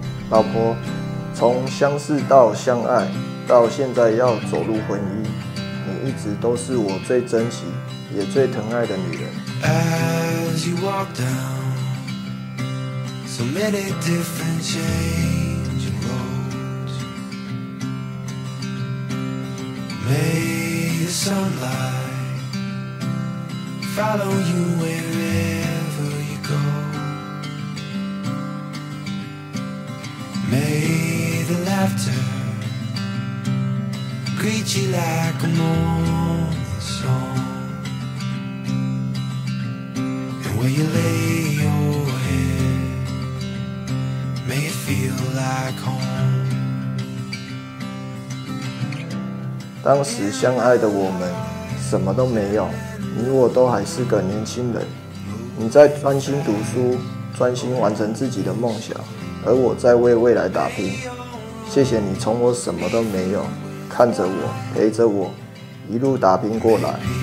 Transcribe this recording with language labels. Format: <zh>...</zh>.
<zh>老婆，从相识到相爱，到现在要走入婚姻，你一直都是我最珍惜也最疼爱的女人。</zh> <en>As you walk down so many different changing roads, may the sunlight follow you wherever you go, may the laughter greet you like a morning song. When you lay your head, may it feel like home.</en> <zh>当时相爱的我们什么都没有，你我都还是个年轻人，你在专心读书，专心完成自己的梦想，而我在为未来打拼。谢谢你从我什么都没有看着我，陪着我一路打拼过来。</zh>